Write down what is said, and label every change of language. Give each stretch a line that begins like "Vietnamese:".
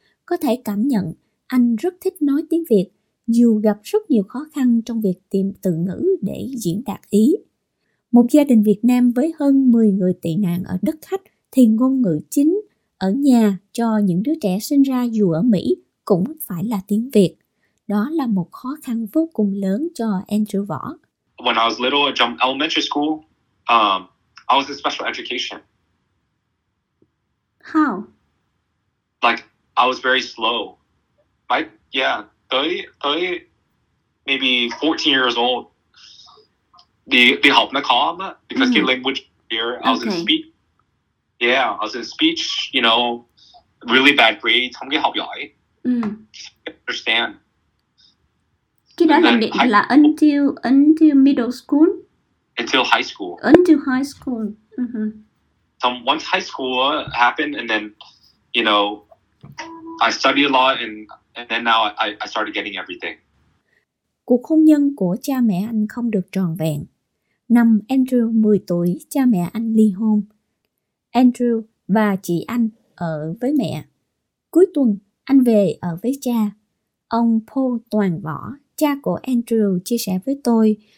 Vietnamese: Có thể cảm nhận anh rất thích nói tiếng Việt, dù gặp rất nhiều khó khăn trong việc tìm từ ngữ để diễn đạt ý. Một gia đình Việt Nam với hơn 10 người tị nạn ở đất khách thì ngôn ngữ chính ở nhà cho những đứa trẻ sinh ra dù ở Mỹ cũng phải là tiếng Việt. Đó là một khó khăn vô cùng lớn cho Andrew Võ.
English: When I was little, I jumped elementary school. I was in special education. How? Like, I was very slow.
Vietnamese: Tới
English: maybe 14 years old,
Vietnamese: đi học nó khó mà,
English: because the language here, I was in speech. Yeah, I was in speech, you know, really bad grades,
Vietnamese: không cái học giỏi.
English: Understand.
Vietnamese: Cái đó là
English: until middle school? Until high school. Until high school. Mm-hmm. So once high school happened, and then, you know, I studied a lot, and then now I started getting everything.
Vietnamese: Cuộc hôn nhân của cha mẹ anh không được trọn vẹn. Năm Andrew 10 tuổi, cha mẹ anh ly hôn. Andrew và chị anh ở với mẹ. Cuối tuần, anh về ở với cha. Ông Paul Toàn Võ, cha của Andrew, chia sẻ với tôi.